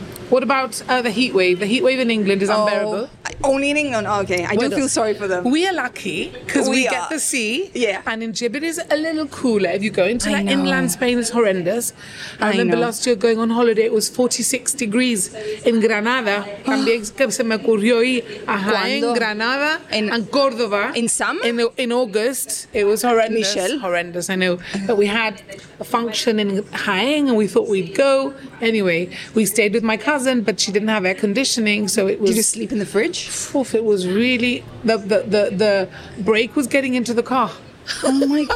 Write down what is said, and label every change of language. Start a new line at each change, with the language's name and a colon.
English: What about the heat wave? The heat wave in England is unbearable. Only in England? Okay. Feel sorry for them. We are lucky because we get the sea. Yeah. And in Gib it is a little cooler. If you go into like inland Spain, it's horrendous. I remember last year going on holiday, it was 46 degrees in Granada.
Spanish: También se me ocurrió en Granada and Córdoba.
English: In summer? In August. It was horrendous. Michelle. Horrendous, I know. But we had a function in Jaén and we thought we'd go. Anyway, we stayed with my cousin, but she didn't have air conditioning, so it was... Did you sleep in the fridge? Oof, it was really... The brake was getting into the car. Oh my goodness.